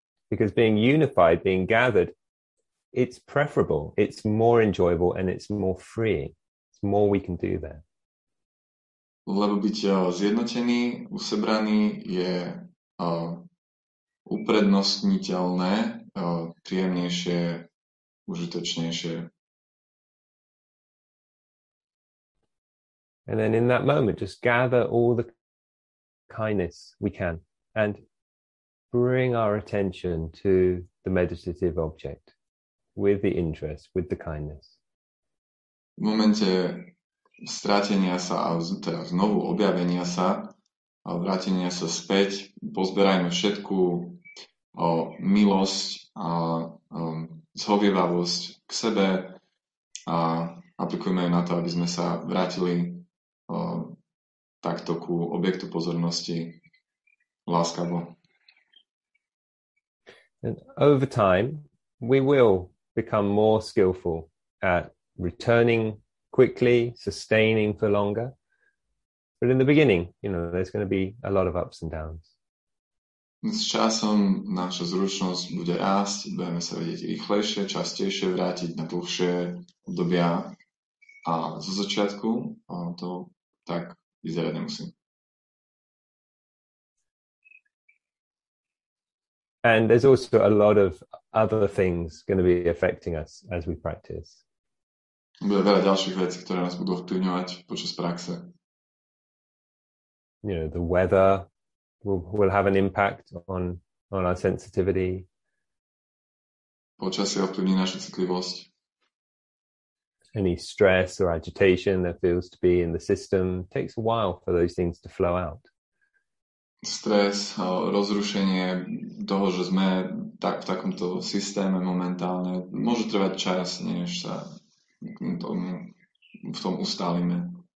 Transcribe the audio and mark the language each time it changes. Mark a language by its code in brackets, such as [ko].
[en] Because being unified, being gathered, it's preferable, it's more enjoyable and it's more freeing. It's more we can do there. [sk] Lebo byť zjednotený, usebraný je uprednostniteľné, príjemnejšie, užitočnejšie. [en] And then in that moment, just gather all the kindness we can and bring our attention to the meditative object with the interest, with the kindness. [sk] V momente strátenia sa a teda znovu objavenia sa a vrátenia sa späť, pozberajme všetku milosť a zhovievavosť k sebe a aplikujeme na to, aby sme sa vrátili takto ku objektu pozornosti láskavo. [en] And over time, we will become more skillful at returning quickly, sustaining for longer. But in the beginning, you know, there's going to be a lot of ups and downs. [sk] S časom naša zručnosť bude rásť, budeme sa vedieť rýchlejšie, častejšie vrátiť na dlhšie obdobia. A zo začiatku to tak vyzerať nemusí. [en] And there's also a lot of other things going to be affecting us as we practice. [sk] Bude veľa ďalších vecí, ktoré nás budú vplyvňovať počas praxe. [en] You know, the weather will have an impact on our sensitivity. [sk] Počasie ovplyvní našu citlivosť. [en] Any stress or agitation that feels to be in the system takes a while for those things to flow out. [sk] Stres, rozrušenie toho, že sme tak v takomto systéme momentálne, môže trvať čas, než sa v tom ustálime.